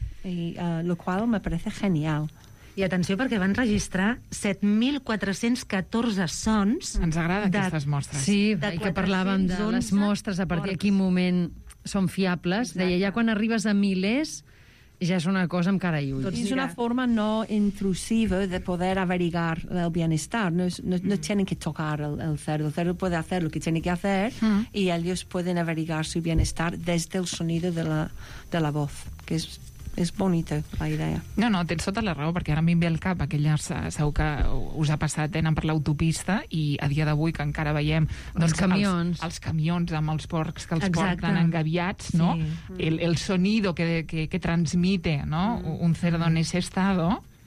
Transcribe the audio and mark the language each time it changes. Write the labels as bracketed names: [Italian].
[Spanish] Y, lo cual me parece genial. [Catalan] I atenció, perquè van registrar 7.414 sons... Ens agrada aquestes mostres. Sí, i que parlàvem de les mostres, a partir de quin moment són fiables. Exacte. Deia, ja quan arribes a milers, ja és una cosa amb cara i ulls. [Spanish] És una forma no intrusiva de poder averiguar el bienestar. No tienen que tocar el cerdo. El cerdo puede hacer lo que tiene que hacer y ellos pueden averiguar su bienestar desde el sonido de la voz, que es [Catalan] és bonita la idea. No, no, tens tota la raó, perquè ara m'hi ve al cap, aquella, segur que us ha passat, anant per l'autopista, i a dia d'avui que encara veiem doncs, els camions amb els porcs que els porten engabiats, no? [Spanish] Sí. El sonido que transmite, no? Un cerdo en ese estado...